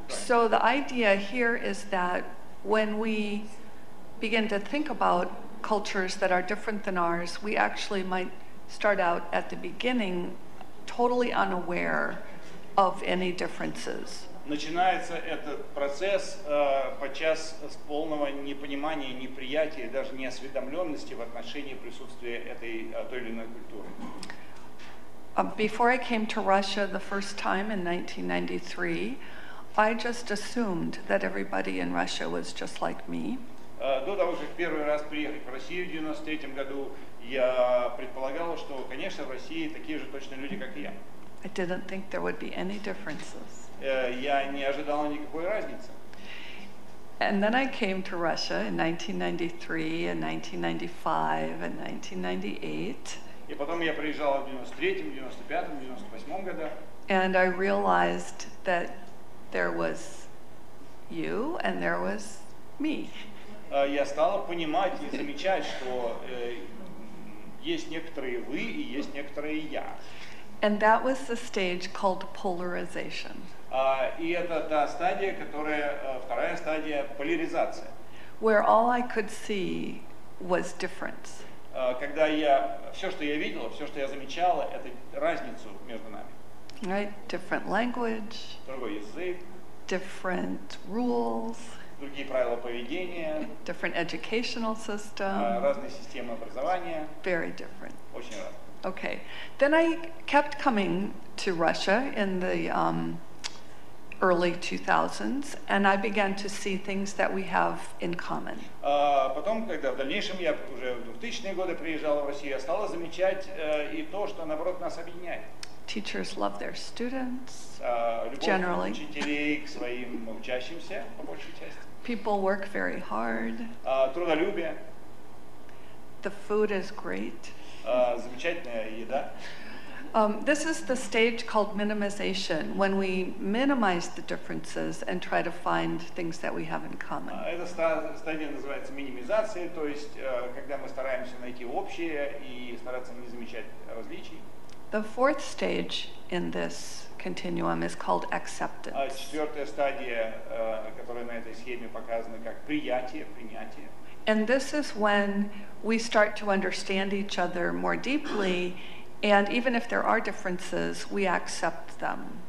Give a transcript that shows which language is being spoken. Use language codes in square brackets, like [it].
[en] So the idea here is that when we begin to think about cultures that are different than ours, we actually might start out at the beginning totally unaware of any differences. [ru] Начинается этот процесс подчас с полного непонимания, неприятия, даже неосведомленности в отношении присутствия этой той или иной культуры. [en] Before I came to Russia the first time in 1993, I just assumed that everybody in Russia was just like me. [ru] До того, как первый раз приехать в Россию в 93 году, я предполагала, что, конечно, в России такие же точно люди, как и я. [en] I didn't think there would be any differences. [ru] Я не ожидала никакой разницы. [en] And then I came to Russia in 1993, and 1995, and 1998. [ru] И потом я приезжала в 93-м, 95-м, 98-м годах. [en] And I realized that there was you and there was me. [ru] Я стала понимать и замечать, что есть некоторые вы и есть некоторые я. [en] And that was the stage called polarization. [ru] И это та стадия, которая вторая стадия поляризация. [en] Where all I could see was difference. [ru] Когда я все, что я видела, все, что я замечала, это разницу между нами. [en] Right, different language. [ru] Другой язык. [en] Different rules. [ru] Другие правила поведения. [en] Different educational system. [ru] Разные системы образования. [en] Very different. [ru] Очень разные. [en] Okay, then I kept coming to Russia in the early 2000s, and I began to see things that we have in common. [ru] Потом, когда в дальнейшем я уже в 2000-е годы приезжала в Россию, я стала замечать и то, что наоборот нас объединяет. [en] Teachers love their students. Generally. [ru] Любовь учителей к своим учащимся по большей части. [en] People work very hard. [ru] Трудолюбие. [en] The food is great. [ru] Замечательная еда. [en] This is the stage called minimization, when we minimize the differences and try to find things that we have in common. [ru] Эта стадия называется минимизация, то есть когда мы стараемся найти общее и стараться не замечать различий. [en] The fourth stage in this continuum is called acceptance. [ru] Четвертая стадия, которая на этой схеме показана как приятие, принятие. [en] And this is when we start to understand each other more deeply, and even if there are differences, we accept them.